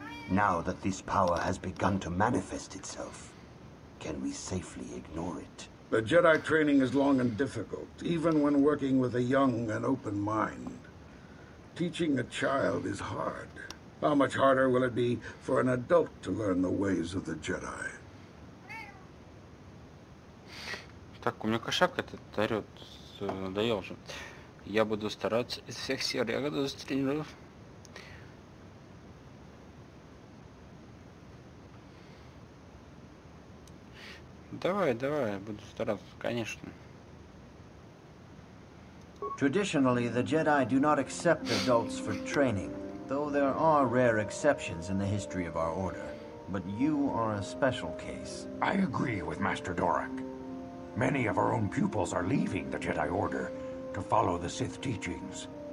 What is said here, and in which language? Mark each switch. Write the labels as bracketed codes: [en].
[en] Now that this power has begun to manifest itself, can we safely ignore it? The Jedi training is long and difficult, even when working with a young and open mind. Teaching a child is hard. How much harder will it be for an adult to learn the ways of the Jedi? [ru] Так, у меня кошак этот орёт. Надоел уже. Я буду стараться из всех сил. Я буду тренировать. Давай, давай, буду стараться, конечно. [en] Traditionally, the Jedi do not accept adults for training, though there are rare exceptions in the history of our order. But you are a special case. I agree with Master Dorak. Many of our own pupils are leaving the Jedi Order to follow the Sith teachings.